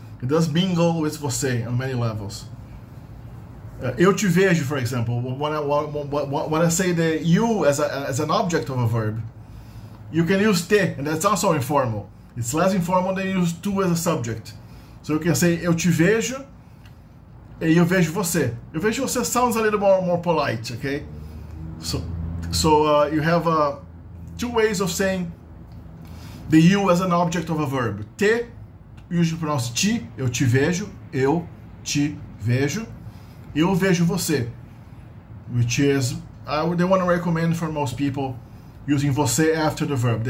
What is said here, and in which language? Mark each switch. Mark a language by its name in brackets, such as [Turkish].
[English] It does mingle with você on many levels. [Portuguese] Eu te vejo, [English] for example, when I say the you as an object of a verb, you can use te, and that's also informal. It's less informal than use tu as a subject. So you can say, [Portuguese] eu te vejo. Eu vejo você. Eu vejo você [English] sounds a little more polite, okay? So you have two ways of saying the you as an object of a verb. [Portuguese] Te, [English] usually pronounced [Portuguese] ti, eu te vejo, eu te vejo. Eu vejo você, [English] which is, they want to recommend for most people using você after the verb.